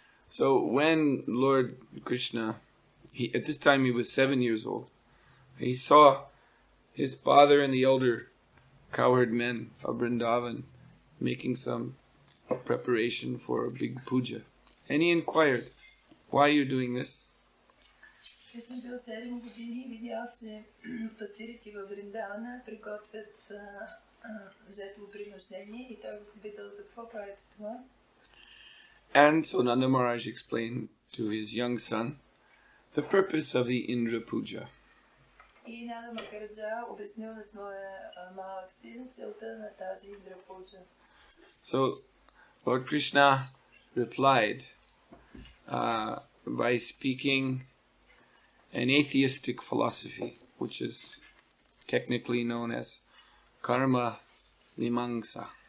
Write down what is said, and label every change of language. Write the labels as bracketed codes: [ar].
[en] So when Lord Krishna, at this time he was 7 years old, he saw his father and the elder cowherd men of Vrindavan making some preparation for a big puja. And he inquired, "Why are you doing this?" [bg] Кришна бил 7 години и видял, че пастирите във Вриндавана приготвят жертвоприношение и той попитал, за какво правите това? [en] And so Nanda Maharaj explained to his young son the purpose of the Indra Puja. [bg] И Нанда Махараджа обяснил на своя малък син целта на тази Индра Пуджа. [en] So Lord Krishna replied by speaking an atheistic philosophy, which is technically known as karma mimamsa.